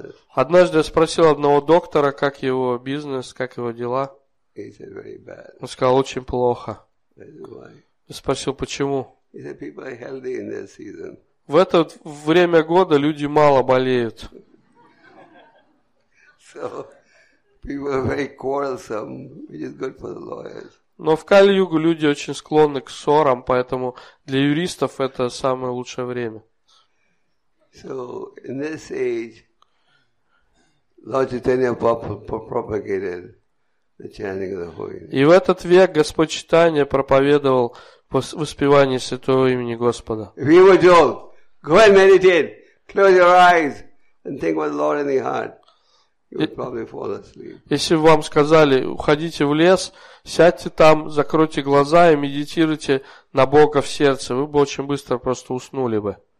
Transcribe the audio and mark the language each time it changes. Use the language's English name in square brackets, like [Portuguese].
[Russian] Однажды я спросил одного доктора, как его бизнес, как его дела. Он сказал: очень плохо. Я спросил: почему? В это время года люди мало болеют. [English] People are very quarrelsome, which is good for the lawyers. [Russian] Но в Кали-Югу люди очень склонны к ссорам, поэтому для юристов это самое лучшее время. [English] So, in this age, Lord Chaitanya propagated the chanting of the Holy Name. [Russian] И в этот век Господь Читания проповедовал воспевание святого имени Господа. [English] If you were told, go and meditate, close your eyes and think about the Lord in your heart. [Russian] Если бы вам сказали: уходите в лес, сядьте там, закройте глаза и медитируйте на Бога в сердце, вы бы очень быстро просто уснули бы.